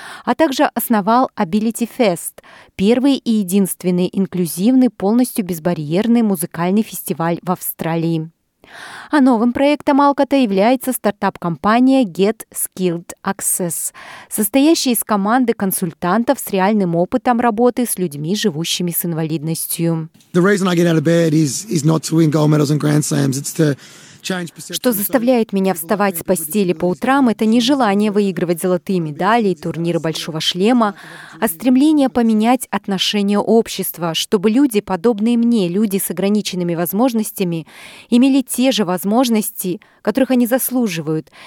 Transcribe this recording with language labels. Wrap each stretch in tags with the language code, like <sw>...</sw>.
<ru>А также основал Ability Fest – первый и единственный инклюзивный, полностью безбарьерный музыкальный фестиваль в Австралии. А новым проектом Алкотта является стартап-компания Get Skilled Access, состоящая из команды консультантов с реальным опытом работы с людьми, живущими с инвалидностью.</ru> <en>The reason I get out of bed is not to win gold medals and grand slams, it's to...</en> <ru>Что заставляет меня вставать с постели по утрам, это не желание выигрывать золотые медали и турниры большого шлема, а стремление поменять отношение общества, чтобы люди, подобные мне, люди с ограниченными возможностями, имели те же возможности, которых они заслуживают.</ru>